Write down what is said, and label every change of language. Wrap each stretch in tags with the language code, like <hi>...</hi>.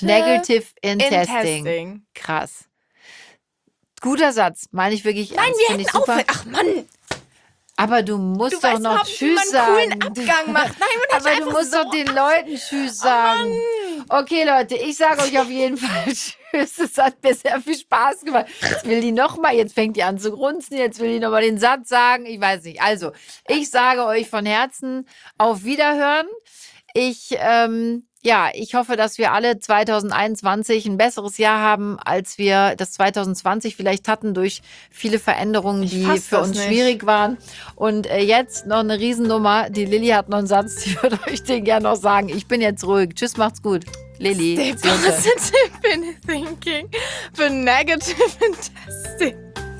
<en>Stay positive in thinking, but negative in testing.</en> <de>Krass. Guter Satz. Meine ich wirklich ernst. Nein, wir hätten aufhören. Ach, Mann. Aber du musst du doch noch Tschüss sagen. Einen coolen Abgang macht. Nein, man aber du musst so doch den Leuten Tschüss sagen. Oh okay, Leute, ich sage euch auf jeden Fall Tschüss. Es hat mir sehr viel Spaß gemacht. Jetzt will die noch mal, jetzt fängt die an zu grunzen. Jetzt will die noch mal den Satz sagen. Ich weiß nicht. Also, ich sage euch von Herzen auf Wiederhören. Ich hoffe, dass wir alle 2021 ein besseres Jahr haben, als wir das 2020 vielleicht hatten durch viele Veränderungen, die für uns schwierig waren. Und jetzt noch eine Riesennummer. Die Lilly hat noch einen Satz, die würde euch den gerne noch sagen. Ich bin jetzt ruhig. Tschüss, macht's gut. Lilly.</de> <en>Stay positive in thinking, but negative in testing.</en>